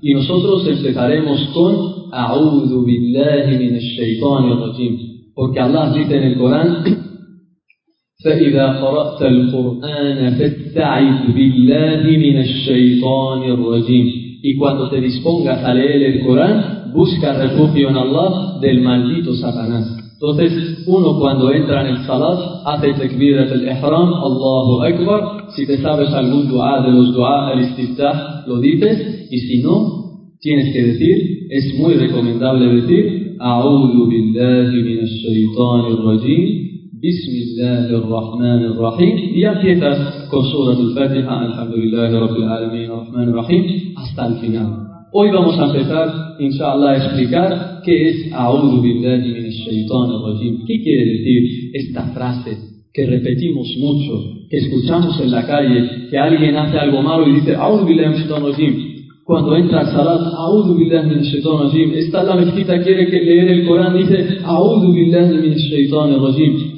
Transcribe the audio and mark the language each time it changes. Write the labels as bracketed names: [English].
[Spanish] Y nosotros empezaremos con [Arabic] A'udhu billahi minash shaitani rajim, [Spanish] porque Allah dice en el Corán: [Arabic] فَإِذَا قَرَأْتَ الْقُرْآنَ فَاسْتَعِذْ بِاللَّهِ مِنَ الشَّيْطَانِ الرَّجِيمِ. [Spanish] Y cuando te dispongas a leer el Corán, busca refugio en Allah del maldito Satanás. Entonces, uno cuando entra en el Salat, hace takbirat al-ihram, Allahu Akbar. Si te sabes algún dua de los dua al-istiftah, lo dices. Y si no, tienes que decir, es muy recomendable decir, [Arabic] أَعُوذُ بِاللَّهِ مِنَ الشَّيْطَانِ الرَّجِيمِ بسم الله الرحمن الرحيم يا فتاة كسورة الفاتحة الحمد لله رب العالمين الرحمن الرحيم [Spanish] hasta el final. Hoy vamos a empezar, inshallah, a explicar qué es [Arabic] أعوذ بالله من الشيطان الرجيم. [Spanish] ¿Qué quiere decir esta frase que repetimos mucho, que escuchamos en la calle, que alguien hace algo malo y dice [Arabic] أعوذ بالله من الشيطان الرجيم? [Spanish] Cuando entra al Salat, [Arabic] A'udhu billahi minash shaitani rajim. [Spanish] Está la mezquita, quiere que leer el Corán, dice A'udhu billahi minash shaitani rajim.